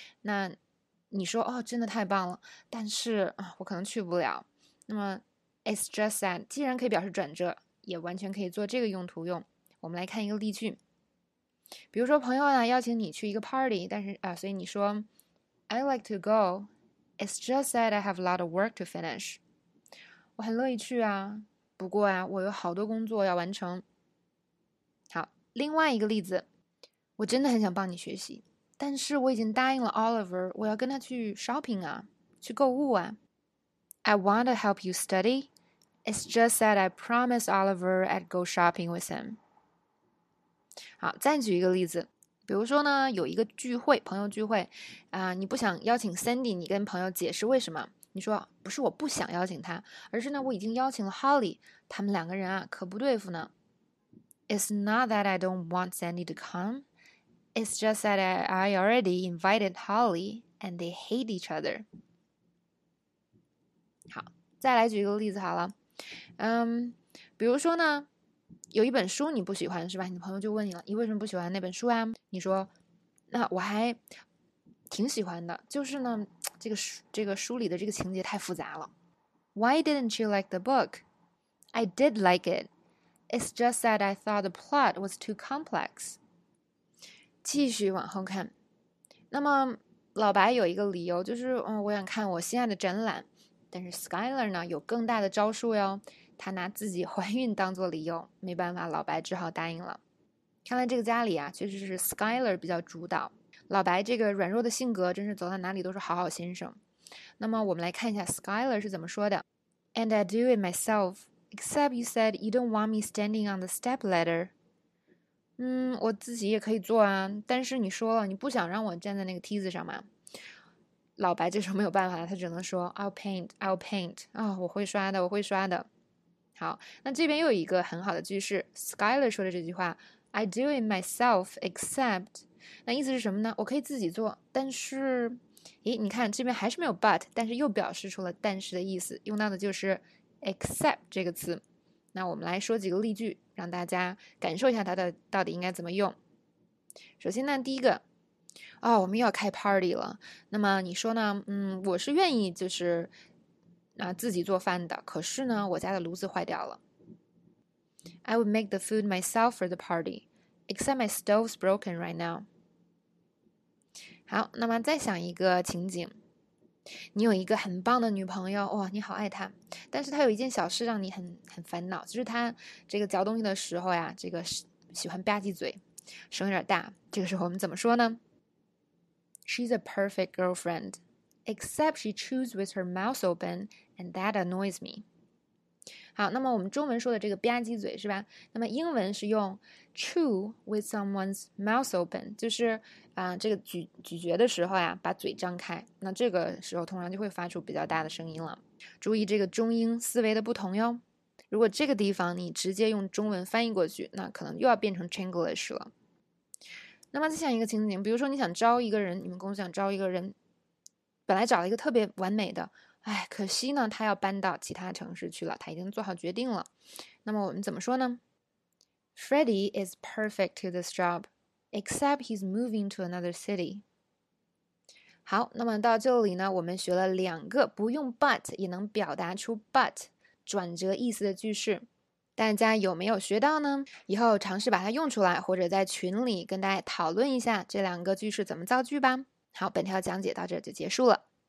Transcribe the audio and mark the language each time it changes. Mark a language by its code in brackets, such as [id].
[zh] 那你说哦，真的太棒了，但是我可能去不了。那么 [en] It's just that， [zh] 既然可以表示转折，也完全可以做这个用途用。我们来看一个例句，比如说朋友呢邀请你去一个 party，但是所以你说 [en] I like to go. It's just that I have a lot of work to finish. [zh] 我很乐意去啊，不过啊，我有好多工作要完成。好，另外一个例子，我真的很想帮你学习，但是我已经答应了 Oliver，我要跟他去 shopping 啊，去购物啊。 [en] I want to help you study. It's just that I promised Oliver I'd go shopping with him. [zh] 好，再举一个例子，比如说呢，有一个聚会，朋友聚会，你不想邀请 Sandy，你跟朋友解释为什么？你说不是我不想邀请他，而是呢我已经邀请了 Holly，他们两个人啊可不对付呢。 [en] It's not that I don't want Sandy to come. It's just that I already invited Holly and they hate each other. [zh] 好，再来举一个例子好了，比如说呢，有一本书你不喜欢是吧？你的朋友就问你了，你为什么不喜欢那本书啊？你说，那我还挺喜欢的，就是呢，这个书里的这个情节太复杂了。 [en] Why didn't you like the book? I did like it. It's just that I thought the plot was too complex. [zh] 继续往后看，那么老白有一个理由，就是我想看我心爱的展览。但是 Skyler 呢有更大的招数哟，她拿自己怀孕当做理由，没办法，老白只好答应了。看来这个家里啊，确实是 Skyler 比较主导，老白这个软弱的性格真是走到哪里都是好好先生。那么我们来看一下 Skyler 是怎么说的：“ [en] And I do it myself, except you said you don't want me standing on the step ladder。 [zh] ”我自己也可以做啊，但是你说了你不想让我站在那个梯子上嘛。老白这时候没有办法了，他只能说 [en] "I'll paint, I'll paint." [zh] 我会刷的，我会刷的。好，那这边又有一个很好的句式，Skyler 说的这句话， [en] "I do it myself, except." [zh] 那意思是什么呢？我可以自己做，但是，诶，你看这边还是没有 but，但是又表示出了但是的意思，用到的就是 except 这个词。那我们来说几个例句，让大家感受一下它的到底应该怎么用。首先呢，第一个。哦，我们又要开 party 了。那么你说呢？我是愿意，就是自己做饭的。可是呢，我家的炉子坏掉了。 [en] I would make the food myself for the party, except my stove's broken right now. [zh] 好，那么再想一个情景，你有一个很棒的女朋友，哇，你好爱她，但是她有一件小事让你很烦恼，就是她这个嚼东西的时候呀，这个喜欢吧唧嘴，声有点大。这个时候我们怎么说呢？ [en] She's a perfect girlfriend, except she chews with her mouth open, and that annoys me. [zh] 好，那么我们中文说的这个吧唧嘴是吧？那么英文是用 [en] chew with someone's mouth open， [zh] 就是这个咀嚼的时候呀，把嘴张开，那这个时候通常就会发出比较大的声音了。注意这个中英思维的不同哟。如果这个地方你直接用中文翻译过去，那可能又要变成 Chinglish 了。那么再想一个情景，比如说你想招一个人，你们公司想招一个人，本来找了一个特别完美的。哎，可惜呢，他要搬到其他城市去了。他已经做好决定了。那么我们怎么说呢？ [en] Freddie is perfect to this job, except he's moving to another city. [zh] 好，那么到这里呢，我们学了两个不用 but 也能表达出 but 转折意思的句式。大家有没有学到呢？以后尝试把它用出来，或者在群里跟大家讨论一下这两个句式怎么造句吧。好，本条讲解到这就结束了。